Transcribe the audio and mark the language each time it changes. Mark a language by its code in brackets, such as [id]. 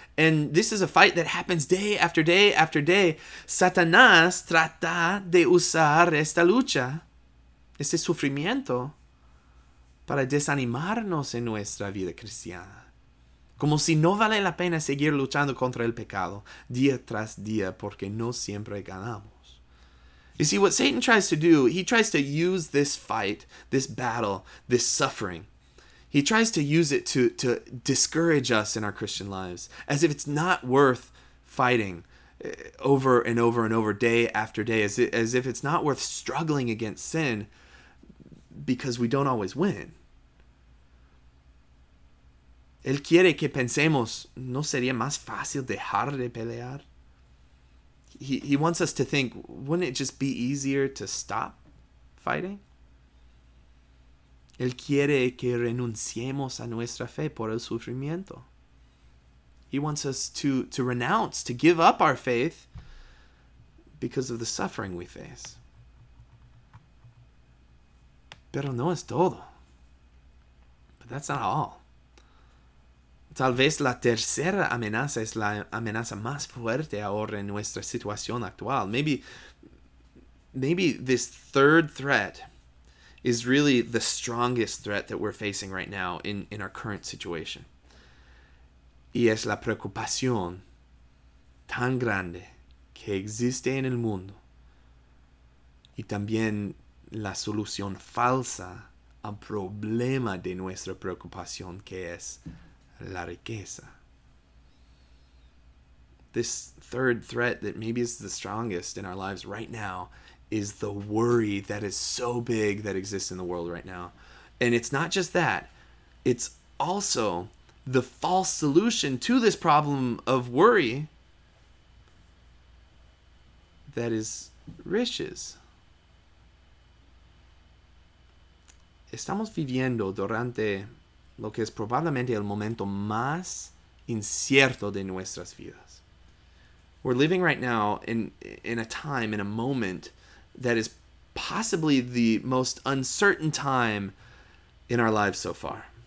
[en] And this is a fight that happens day after day after day. [es] Satanás trata de usar esta lucha, este sufrimiento, para desanimarnos en nuestra vida cristiana. Como si no vale la pena seguir luchando contra el pecado día tras día porque no siempre ganamos. [en] You see, what Satan tries to do, he tries to use this fight, this battle, this suffering. He tries to use it to discourage us in our Christian lives as if it's not worth fighting over and over and over, day after day, as if it's not worth struggling against sin. Because we don't always win. [es] Él quiere que pensemos, ¿no sería más fácil dejar de pelear? [en] He wants us to think, wouldn't it just be easier to stop fighting? [es] Él quiere que renunciemos a nuestra fe por el sufrimiento. [en] He wants us to renounce, to give up our faith because of the suffering we face. [es] Pero no es todo. [en] But that's not all. [es] Tal vez la tercera amenaza es la amenaza más fuerte ahora en nuestra situación actual. [en] Maybe this third threat is really the strongest threat that we're facing right now in our current situation. [es] Y es la preocupación tan grande que existe en el mundo. Y también la solución falsa al problema de nuestra preocupación, que es la riqueza. [en] This third threat that maybe is the strongest in our lives right now is the worry that is so big that exists in the world right now. And it's not just that. It's also the false solution to this problem of worry that is riches. [es] Estamos viviendo durante lo que es probablemente el momento más incierto de nuestras vidas. [en] We're living right now in a time, in a moment, that is possibly the most uncertain time in our lives so far.